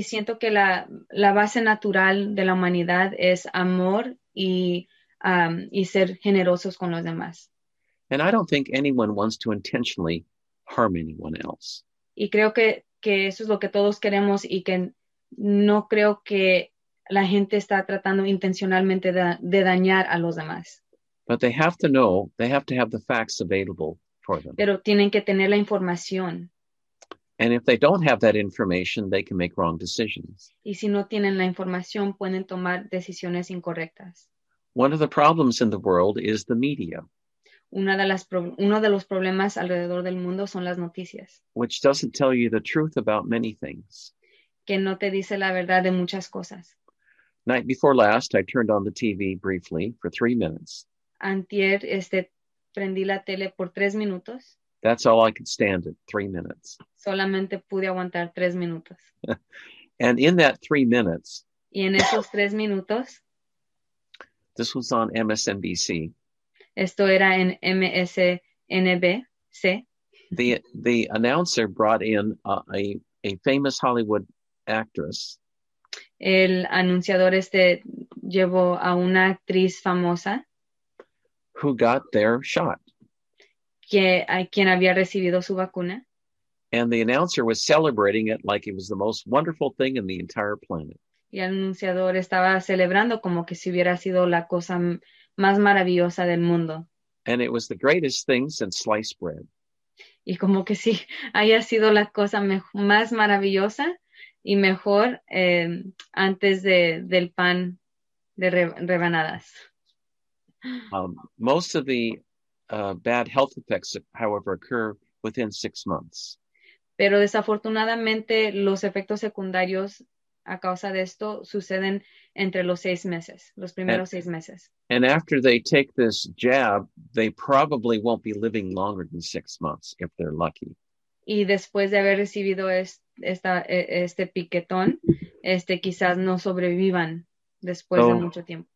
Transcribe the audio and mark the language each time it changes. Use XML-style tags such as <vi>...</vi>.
<es>Y siento que la base natural de la humanidad es amor y ser generosos con los demás.</es> <en>And I don't think anyone wants to intentionally harm anyone else.</en> <es>Y creo que eso es lo que todos queremos y que no creo que la gente está tratando intencionalmente de dañar a los demás.</es> <en>But they have to know, they have to have the facts available for them.</en> <es>Pero tienen que tener la información.</es> <en>And if they don't have that information, they can make wrong decisions.</en> <es>Y si no tienen la información, pueden tomar decisiones incorrectas.</es> <en>One of the problems in the world is the media.</en> <es>Uno de los problemas alrededor del mundo son las noticias.</es> <en>Which doesn't tell you the truth about many things.</en> <es>Que no te dice la verdad de muchas cosas.</es> <en>Night before last, I turned on the TV briefly for 3 minutes.</en> <es>Antier, prendí la tele por 3 minutos.</es> <en>That's all I could stand it, 3 minutes.</en> <es>Solamente pude aguantar 3 minutos.</es> <en>And in that 3 minutes,</en> <es>y en esos 3 minutos,</es> <en>this was on MSNBC.</en> <es>Esto era en MSNBC.</es> <en>The announcer brought in a famous Hollywood actress.</en> <es>El anunciador llevó a una actriz famosa.</es> <en>Who got their shot.</en> <es>Quien había recibido su vacuna.</es> <en>And the announcer was celebrating it like it was the most wonderful thing in the entire planet.</en> <es>Y el anunciador estaba celebrando como que si hubiera sido la cosa más maravillosa del mundo.</es> <en>And it was the greatest thing since sliced bread.</en> <es>Y como que sí, haya sido la cosa más maravillosa y mejor antes del pan de rebanadas.</es> <en>Most of the bad health effects, however, occur within 6 months.</en> <es>Pero desafortunadamente los efectos secundarios a causa de esto suceden entre los 6 meses, los primeros 6 meses.</es> <en>And after they take this jab, they probably won't be living longer than 6 months if they're lucky.</en> <es>Y después de haber recibido este piquetón, quizás no sobrevivan después de mucho tiempo.</es>